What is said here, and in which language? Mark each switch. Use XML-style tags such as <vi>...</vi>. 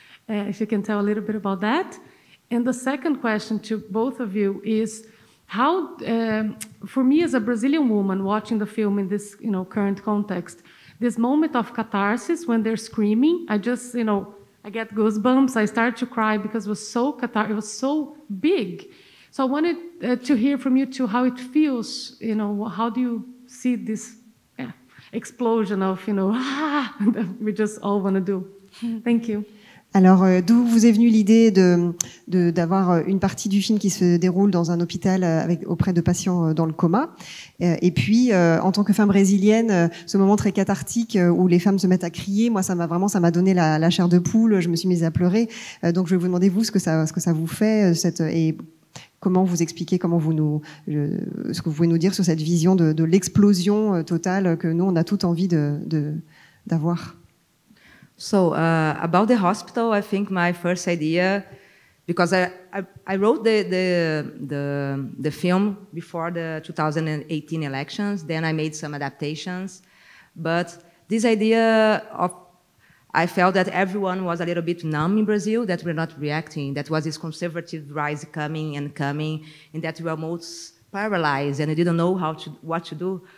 <en>If you can tell a little bit about that. And the second question to both of you is how, for me as a Brazilian woman watching the film in this current context, this moment of catharsis when they're screaming, I just, I get goosebumps, I start to cry because it was so cathartic, it was so big. So I wanted to hear from you too how it feels, how do you see this explosion of, that we just all want to do. Thank you.</en> <fr>Alors, d'où vous est venue l'idée d'avoir une partie du film qui se déroule dans un hôpital auprès de patients dans le coma? Et puis, en tant que femme brésilienne, ce moment très cathartique où les femmes se mettent à crier, moi, ça m'a donné la chair de poule, je me suis mise à pleurer. Donc, je vais vous demander, vous, ce que ça vous fait, et comment vous expliquez, ce que vous pouvez nous dire sur cette vision de l'explosion totale que nous, on a toute envie d'avoir.</fr> <en>So about the hospital, I think my first idea, because I wrote the film before the 2018 elections, then I made some adaptations, but this idea of, I felt that everyone was a little bit numb in Brazil, that we're not reacting, that was this conservative rise coming, and that we were most paralyzed and we didn't know what to do.</en>